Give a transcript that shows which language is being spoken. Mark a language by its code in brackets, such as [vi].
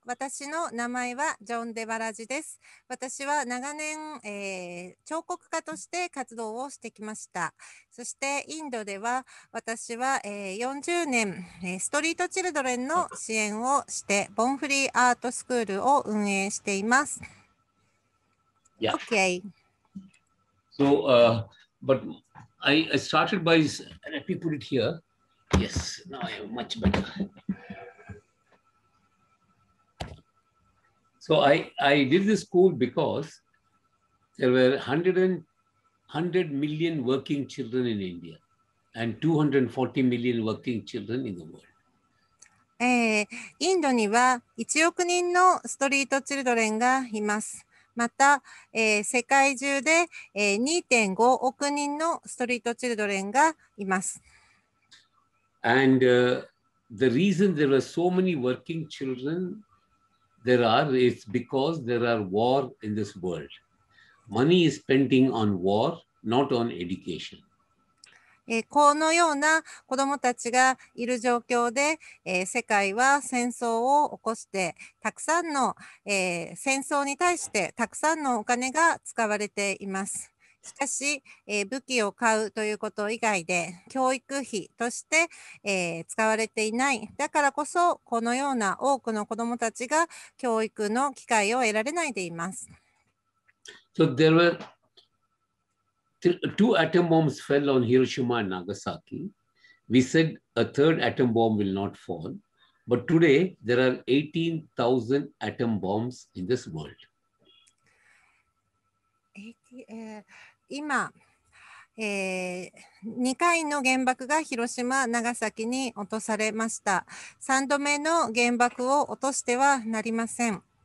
[ja] 私の名前はジョン・デバラジです。私は長年、彫刻家として活動をしてきました。そしてインドでは私は40年ストリートチルドレンの支援をしてボンフリーアートスクールを運営しています。 [en] Yeah. Okay. So, but I started by, let me put it here. Yes, now I am much better. So I did this school because there were 100 million working children in India and 240 million working children in the world. [ja] インドには1億人のストリートチルドレンがいます。また、世界中で、2.5 億人のストリートチルドレンがいます。 [en] And the reason there are so many working children there are is because there are war in this world. Money is spending on war. Not on education. [ja] このような子どもたちがいる状況で、世界は戦争を起こして、たくさんの、戦争に対してたくさんのお金が使われています。しかし、武器を買うということ以外で教育費として、使われていない。だからこそこのような多くの子どもたちが教育の機会を得られないでいます。 [en] So there were two atom bombs fell on Hiroshima and Nagasaki. We said a third atom bomb will not fall, but today there are 18,000 atom bombs in this world. [ja] 今、2回の原爆が広島、長崎に落とされました。 3度目の原爆を落としてはなりません。